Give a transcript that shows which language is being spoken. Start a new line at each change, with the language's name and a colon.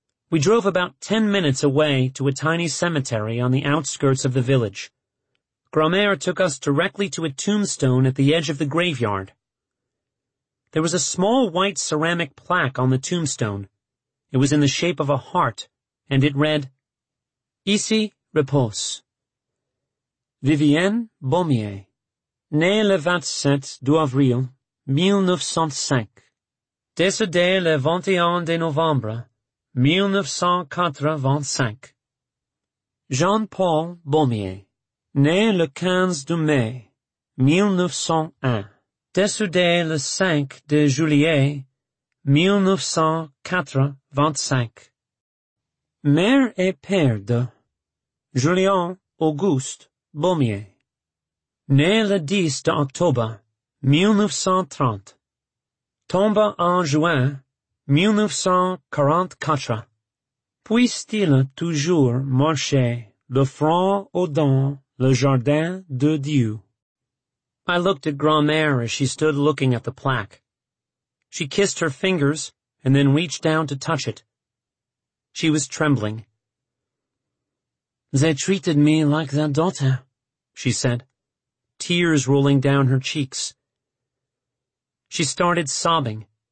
English: We drove about 10 minutes away to a tiny cemetery on the outskirts of the village. Grammaire took us directly to a tombstone at the edge of the graveyard. There was a small white ceramic plaque on the tombstone. It was in the shape of a heart, and it read,
French: Ici repose. Vivienne Baumier, née le 27 d'avril 1905, décédée le 21 de novembre 1985. Jean-Paul Baumier, né le 15 de mai 1901, décédée le 5 de juillet 1985. Mère et père de Julien Auguste Baumier, né le 10 d'octobre 1930, tomba en juin 1944. Puisse-t-il toujours marcher le front au dans le jardin de Dieu?
English: I looked at Grand-mère as she stood looking at the plaque. She kissed her fingers and then reached down to touch it. She was trembling. They treated me like their daughter, she said, tears rolling down her cheeks. She started sobbing.